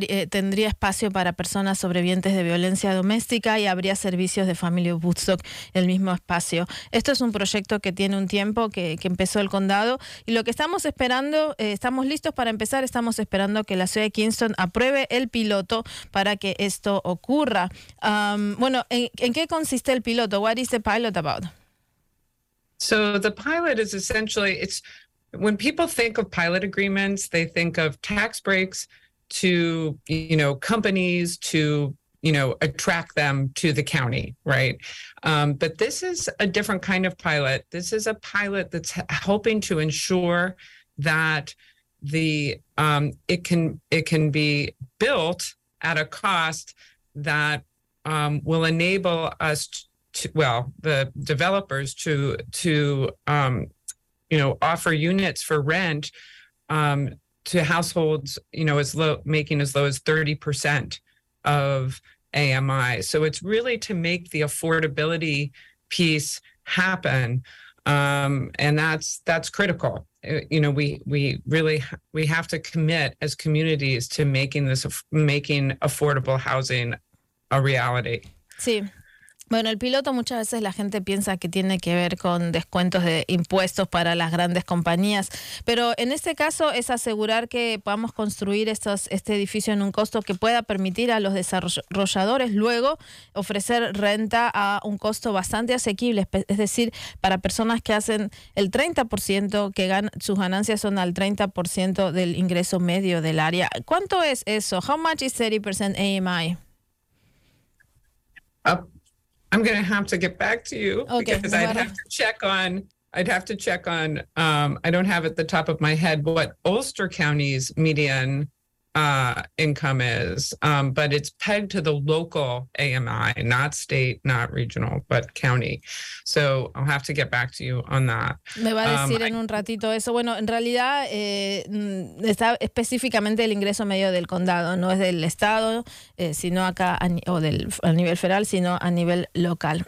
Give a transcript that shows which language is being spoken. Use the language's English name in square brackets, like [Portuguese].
[Spanish] Tendría espacio para personas sobrevivientes de violencia doméstica, y habría servicios de Family of Woodstock en el mismo espacio. Esto es un proyecto que tiene un tiempo que empezó el condado, y lo que estamos esperando, estamos listos para empezar, estamos esperando que la ciudad de Kingston apruebe el piloto para que esto ocurra. ¿En qué consiste el piloto? [English] What is the pilot about? So the pilot is essentially, it's when people think of pilot agreements, they think of tax breaks to, you know, companies to, you know, attract them to the county, right? But this is a different kind of pilot. This is a pilot that's helping to ensure that it can be built at a cost that will enable us the developers to offer units for rent to households, you know, making as low as 30% of AMI. So it's really to make the affordability piece happen. And that's critical. You know, we really have to commit as communities to making affordable housing a reality. [Spanish] Sí. Bueno, el piloto muchas veces la gente piensa que tiene que ver con descuentos de impuestos para las grandes compañías, pero en este caso es asegurar que podamos construir este edificio en un costo que pueda permitir a los desarrolladores luego ofrecer renta a un costo bastante asequible, es decir, para personas que hacen el 30%, que sus ganancias son al 30% del ingreso medio del área. ¿Cuánto es eso? [English] How much is 30% AMI? I'm going to have to get back to you because I'd have to check on, I don't have at the top of my head what Ulster County's median income is, but it's pegged to the local AMI, not state, not regional, but county. So I'll have to get back to you on that. [Spanish] Me va a decir en un ratito eso. Bueno, en realidad está específicamente el ingreso medio del condado, no es del estado, sino acá, a nivel federal, sino a nivel local.